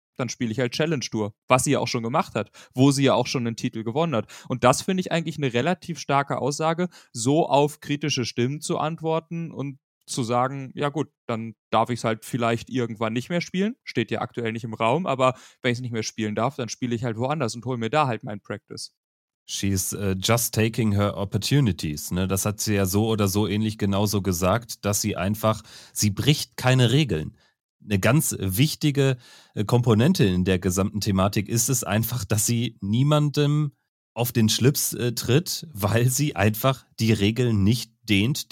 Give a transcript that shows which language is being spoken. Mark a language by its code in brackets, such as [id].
[de] Dann spiele ich halt Challenge Tour, was sie ja auch schon gemacht hat, wo sie ja auch schon einen Titel gewonnen hat. Und das finde ich eigentlich eine relativ starke Aussage, so auf kritische Stimmen zu antworten und zu sagen, ja gut, dann darf ich es halt vielleicht irgendwann nicht mehr spielen, steht ja aktuell nicht im Raum, aber wenn ich es nicht mehr spielen darf, dann spiele ich halt woanders und hole mir da halt mein Practice. [en] She's just taking her opportunities, ne? [de] Das hat sie ja so oder so ähnlich genauso gesagt, dass sie bricht keine Regeln. Eine ganz wichtige Komponente in der gesamten Thematik ist es einfach, dass sie niemandem auf den Schlips tritt, weil sie einfach die Regeln nicht dehnt.